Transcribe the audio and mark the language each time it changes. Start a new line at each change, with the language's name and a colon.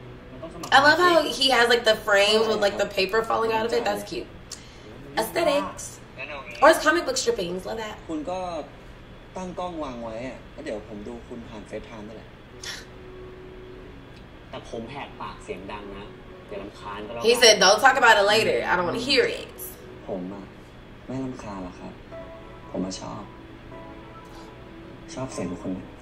Thai: มันต้องสมัคร
English: I love how he has like the frames with like the paper falling out of it that's cute aesthetics or it's comic book strippings love that
Thai: คุณก็ตั้งกล้องวางไว้อ่ะแล้วเดี๋ยวผมดูคุณผ่านเฟซไทม์ได้แหละ แต่ผมแหกปากเสียงดังนะอย่ารำคาญก็แล้วกัน
English: He said don't talk about it later I don't want to hear it
Thai: ผมอ่ะไม่รำคาญหรอกครับผมชอบชอบเสียงคุณ